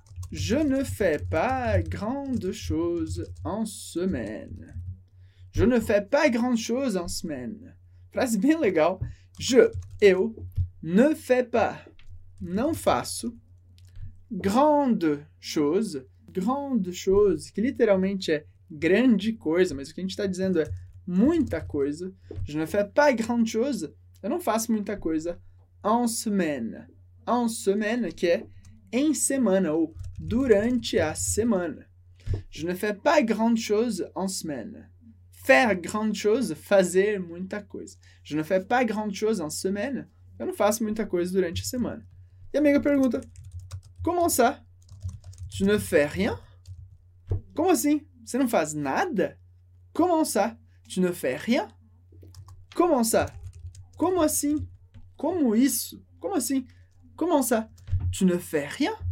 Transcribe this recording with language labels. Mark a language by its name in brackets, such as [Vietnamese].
[French] Je ne fais pas grande chose en semaine. Je ne fais pas grande chose en semaine. [Portuguese] Frase bem legal. Je, eu... [French] Ne fais pas, [Portuguese] não faço, grande chose, que literalmente é grande coisa, mas o que a gente está dizendo é muita coisa. [French] Je ne fais pas grande chose, [Portuguese] eu não faço muita coisa [French] en semaine. En semaine, [Portuguese] que é em semana ou durante a semana. [French] Je ne fais pas grande chose en semaine. Faire grande chose, [Portuguese] fazer muita coisa. [French] Je ne fais pas grande chose en semaine. [Portuguese] Eu não faço muita coisa durante a semana. E a amiga pergunta, [French] comment ça? Tu ne fais rien? [Portuguese] Como assim? Você não faz nada? [French] Comment ça? Tu ne fais rien? Comment ça? [Portuguese] Como assim? Como isso? Como assim? [French] Comment ça? Tu ne fais rien?